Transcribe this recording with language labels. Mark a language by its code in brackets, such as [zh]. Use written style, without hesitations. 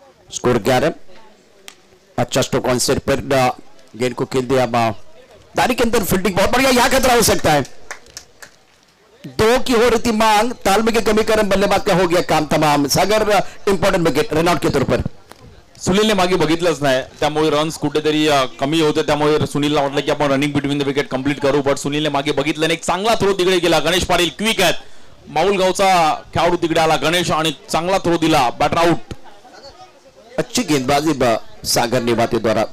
[hi] Score 11. अच्छा stroke on set पर गेंद को खेल दिया, दारी के अंदर फील्डिंग बहुत बढ़िया. यहां खतरा हो सकता है, 2 की हो रही थी मांग, तालमेल के कमी कारण बल्लेबाज का हो गया काम तमाम. सागर इंपॉर्टेंट विकेट रनआउट के तौर पर. [mr] सुनील ने मागे बघितलंच नाही त्यामुळे रन्स कुठेतरी कमी होते, त्यामुळे सुनीलला वाटलं की आपण running between the wicket complete करू. बट सुनीलने मागे बघितलं, एक चांगला थ्रो तिकडे गेला. गणेश पाटील क्विक आहेत, माऊलगावचा खेळाडू तिकडे आला गणेश आणि चांगला थ्रो दिला, बॅटर आउट. [hi] अच्छी गेंदबाजी सागर निभाते द्वारा.